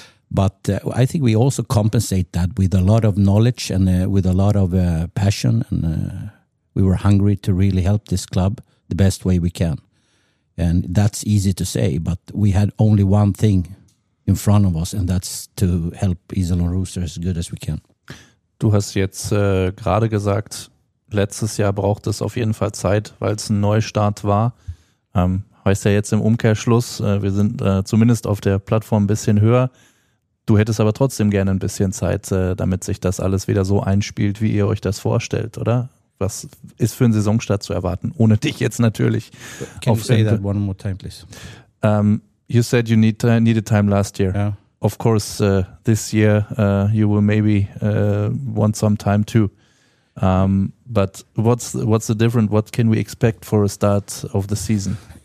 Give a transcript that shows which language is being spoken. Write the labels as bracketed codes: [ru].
[en] But I think we also compensate that with a lot of knowledge and with a lot of passion. And we were hungry to really help this club the best way we can. And that's easy to say, but we had only one thing in front of us, and that's to help Iserlohn Roosters as good as we can. [de] Du hast jetzt gerade gesagt, letztes Jahr braucht es auf jeden Fall Zeit, weil es ein Neustart war. Heißt ja jetzt im Umkehrschluss, wir sind zumindest auf der Plattform ein bisschen höher. Du hättest aber trotzdem gerne ein bisschen Zeit, damit sich das alles wieder so einspielt, wie ihr euch das vorstellt, oder? Was ist für einen Saisonstart zu erwarten, ohne dich jetzt natürlich. [en] Can you say that one more time, please? You said you needed time last year. Yeah. Of course, this year you will maybe want some time too. But what's the difference? What can we expect for a start of the season?